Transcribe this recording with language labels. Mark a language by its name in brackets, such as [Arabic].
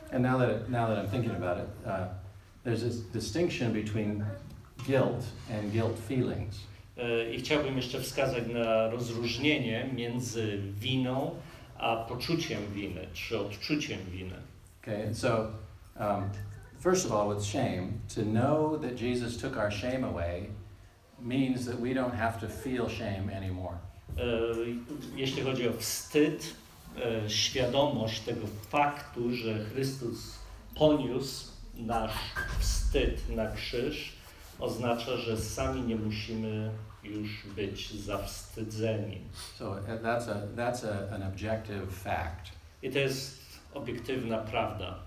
[English] And now that I'm thinking about it, there's this distinction between guilt and guilt feelings. [Polish] I chciałbym jeszcze wskazać na rozróżnienie między winą a poczuciem winy, czy odczuciem winy. [English] Okay, and so, first of all, with shame, to know that Jesus took our shame away means that we don't have to feel shame anymore. [Polish] Jeśli chodzi o wstyd, świadomość tego faktu, że Chrystus poniósł nasz wstyd na krzyż, oznacza, że sami nie musimy już być zawstydzeni. [English] So that's an objective fact. [Polish] I to jest obiektywna prawda.